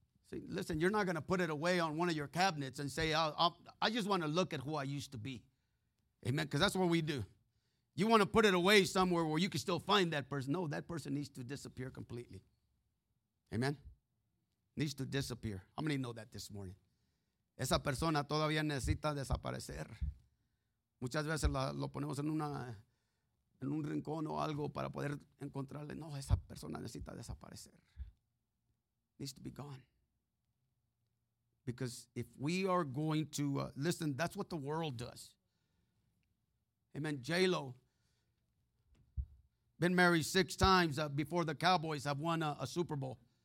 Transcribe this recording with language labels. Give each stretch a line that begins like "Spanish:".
English: See, listen, you're not going to put it away on one of your cabinets and say, I just want to look at who I used to be. Amen. Because that's what we do. You want to put it away somewhere where you can still find that person. No, that person needs to disappear completely. Amen. Needs to disappear. How many know that this morning?
Spanish: Esa persona todavía necesita desaparecer. Muchas veces lo ponemos en un rincón o algo para poder encontrarle. No, esa persona necesita desaparecer.
English: Needs to be gone. Because if we are going to, listen, that's what the world does. Amen. J-Lo, been married 6 times before the Cowboys have won a Super Bowl.